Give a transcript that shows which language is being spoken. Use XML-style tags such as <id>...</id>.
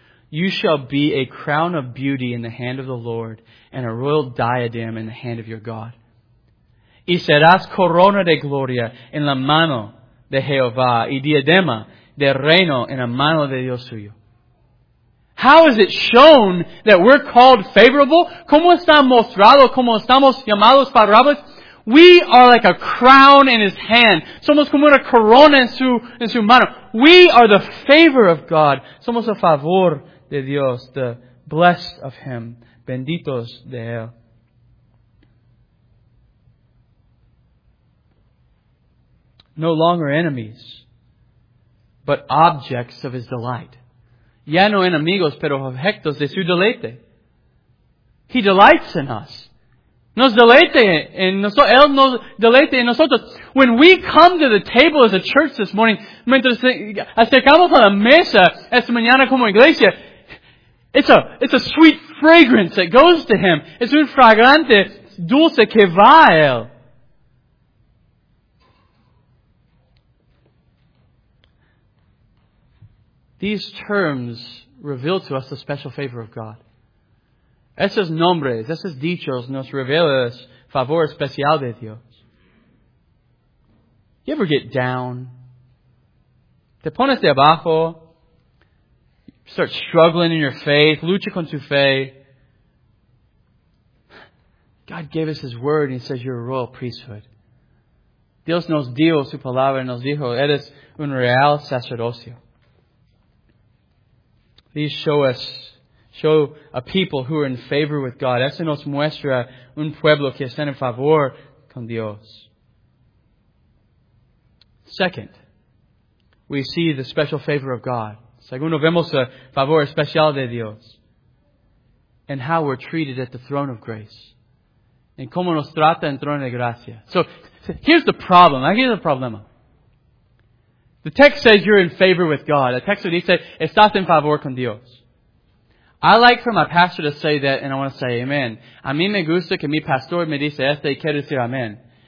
<en>You shall be a crown of beauty in the hand of the Lord and a royal diadem in the hand of your God.</en> <es>Y serás corona de gloria en la mano de Jehová y diadema de reino en la mano de Dios suyo.</es> <en>How is it shown that we're called favorable?</en> <es>¿Cómo está mostrado? ¿Cómo estamos llamados favorables?</es> <en>We are like a crown in His hand.</en> <es>Somos como una corona en su mano.</es> <en>We are the favor of God.</en> <es>Somos a favor de Dios,</es> <en>the blessed of Him,</en> <es>benditos de Él.</es> <en>No longer enemies, but objects of His delight.</en> <es>Ya no enemigos, pero objetos de su deleite.</es> <en>He delights in us.</en> <es>Nos deleite en nosotros. Él nos deleite en nosotros.</es> <en>When we come to the table as a church this morning,</en> <es>mientras acercamos a la mesa esta mañana como iglesia,</es> <en>It's a sweet fragrance that goes to Him.</en> <es>It's un fragrante dulce que va a Él.</es> <en>These terms reveal to us the special favor of God.</en> <es>Esos nombres, esos dichos nos revelan el favor especial de Dios.</es> <en>You ever get down?</en> <es>Te pones de abajo.</es> <en>Start struggling in your faith.</en> <es>Lucha con tu fe.</es> <en>God gave us His Word and He says you're a royal priesthood.</en> <es>Dios nos dio su palabra y nos dijo, eres un real sacerdocio.</es> <en>These show a people who are in favor with God.</en> <es>Eso nos muestra un pueblo que está en favor con Dios.</es> <en>Second, we see the special favor of God.</en> <es>Según vemos el favor especial de Dios.</es> <en>And how we're treated at the throne of grace. And</en> <es>cómo nos trata el trono de gracia.</es> <en>So, here's the problem. Here's the problema. The text says you're in favor with God. The text</en> <es>dice, estás en favor con Dios.</es> <en>I like for my pastor to say that, and I want to say amen.</en> <es>A mí me gusta que mi pastor me dice esto y quiero decir amen.</es>